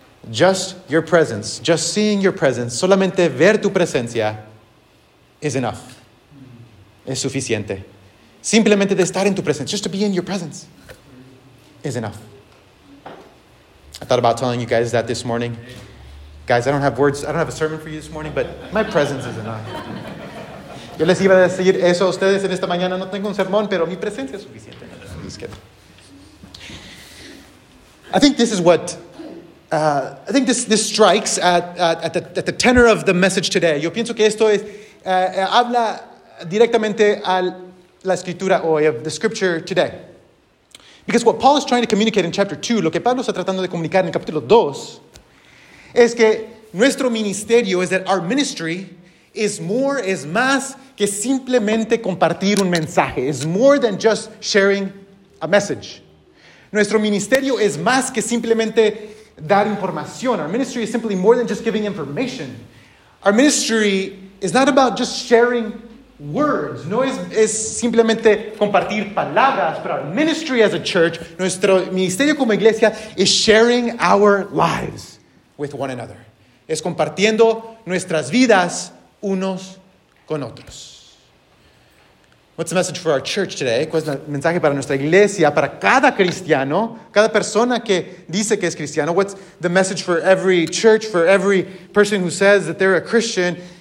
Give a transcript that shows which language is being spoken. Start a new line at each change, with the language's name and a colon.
English: Just your presence, just seeing your presence,
Spanish: solamente ver tu presencia
English: is enough.
Spanish: Es suficiente. Simplemente de estar en tu presencia,
English: just to be in your presence, is enough. I thought about telling you guys that this morning. Guys, I don't have words, I don't have a sermon for you this morning, but my presence is enough.
Spanish: Yo les iba a decir eso a ustedes en esta mañana, no tengo un sermón, pero mi presencia es suficiente.
English: I'm just kidding. I think this is what, I think this strikes at the tenor of the message today.
Spanish: Yo pienso que esto es, habla directamente al la escritura hoy,
English: of the scripture today. Because what Paul is trying to communicate in chapter 2,
Spanish: lo que Pablo está tratando de comunicar en el capítulo 2, es que nuestro ministerio,
English: is that our ministry is more, is
Spanish: más que simplemente compartir un mensaje.
English: It's more than just sharing a message.
Spanish: Nuestro ministerio es más que simplemente dar información.
English: Our ministry is simply more than just giving information. Our ministry is not about just sharing words,
Spanish: no es simplemente compartir palabras,
English: but our ministry as a church,
Spanish: nuestro ministerio como iglesia,
English: is sharing our lives with one another.
Spanish: Es compartiendo nuestras vidas unos con otros.
English: What's the message for our church today?
Spanish: ¿Cuál es el mensaje para nuestra iglesia, para cada cristiano, cada persona que dice que es cristiano?
English: What's the message for every church, for every person who says that they're a Christian?